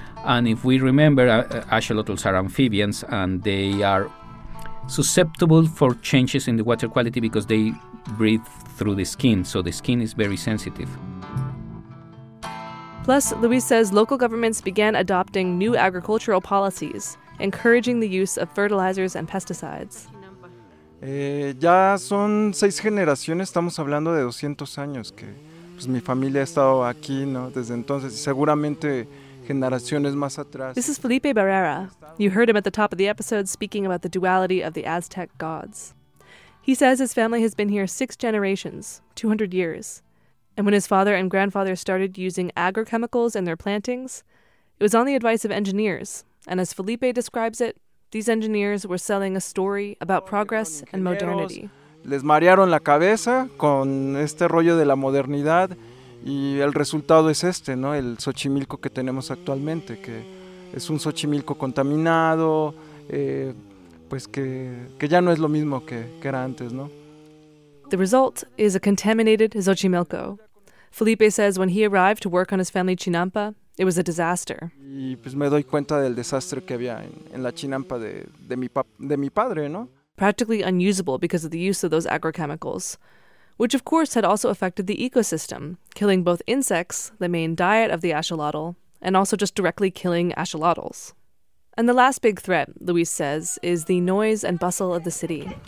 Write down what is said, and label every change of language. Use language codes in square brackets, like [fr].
[en] And if we remember, axolotls are amphibians and they are susceptible for changes in the water quality because they breathe through the skin, so the skin is very sensitive. Plus, Luis says local governments began adopting new agricultural policies, encouraging the use of fertilizers and pesticides. [es] Ya son seis generaciones, estamos hablando de 200 años que pues mi familia ha estado aquí, ¿no? Desde entonces y seguramente generaciones más atrás. [en] This is Felipe Barrera. You heard him at the top of the episode speaking about the duality of the Aztec gods. He says his family has been here six generations, 200 years. And when his father and grandfather started using agrochemicals in their plantings, it was on the advice of engineers. And as Felipe describes it, these engineers were selling a story about progress and modernity. [es] Les marearon la cabeza con este rollo de la modernidad y el resultado es este, ¿no? El Xochimilco que tenemos actualmente, que es un Xochimilco contaminado, pues que ya no es lo mismo que era antes, ¿no? [en] The result is a contaminated Xochimilco. Felipe says when he arrived to work on his family chinampa, it was a disaster. [es] Y pues me doy cuenta del desastre que había en la chinampa de mi padre, ¿no? [en] Practically unusable because of the use of those agrochemicals, which of course had also affected the ecosystem, killing both insects, the main diet of the axolotl, and also just directly killing axolotls. And the last big threat, Luis says, is the noise and bustle of the city.